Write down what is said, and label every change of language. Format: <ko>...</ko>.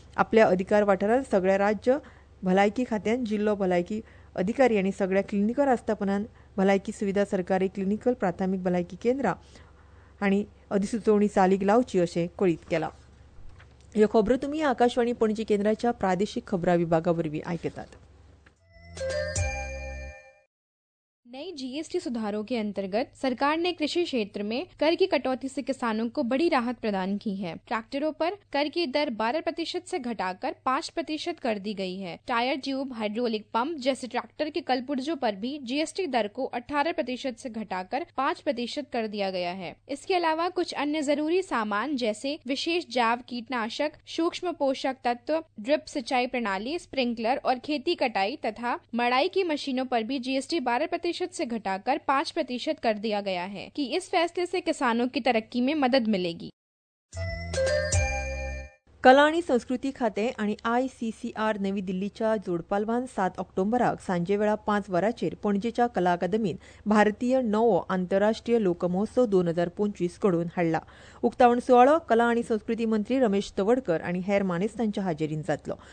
<gom>आपल्या अधिकार वाठारात सगळ्या राज्य भलायकी खात्यान जिल्हा भलायकी अधिकारी आणि सगळ्या क्लिनिकल आस्थापनांत भलायकी सुविधा सरकारी क्लिनिकल प्राथमिक भलायकी केंद्रां आणि अधिसुचोवणी चालीक लावची अशे कळीत केला. ह्यो खबरो तुम्ही आकाशवाणी पणजी केंद्राच्या प्रादेशिक खबरां विभागावरवी आयकतात.</gom> <hi>नई जीएसटी सुधारों के अंतर्गत सरकार ने कृषि क्षेत्र में कर की कटौती से किसानों को बड़ी राहत प्रदान की है. ट्रैक्टरों पर कर की दर 12% से घटाकर 5% कर दी गई है. टायर ट्यूब हाइड्रोलिक पंप जैसे ट्रैक्टर के कलपुर्जों पर भी जीएसटी दर को 18% से घटाकर 5% कर दिया गया है. इसके अलावा कुछ अन्य जरूरी सामान जैसे विशेष जैव कीटनाशक, सूक्ष्म पोषक तत्व, ड्रिप सिंचाई प्रणाली, स्प्रिंकलर और खेती कटाई तथा मड़ाई की मशीनों पर भी जीएसटी 12% से घटाकर 5% कर दिया गया है कि इस फैसले से किसानों की तरक्की में मदद मिलेगी.</hi> <gom>कला आणि संस्कृती खाते आणि आयसीसीआर नवी दिल्लीच्या जोडपालवान 7 ऑक्टोबराक सांजे वेळा 5 वरांचेर पणजेच्या कला अकादमीन भारतीय 9वो आंतरराष्ट्रीय लोकमहोत्सव 2025 घडवून हाडला. उक्तावण सुवाळो कला आणि संस्कृती मंत्री रमेश तवडकर आणि हेर मानेस्तांच्या हाजेरीन जातलो.</gom>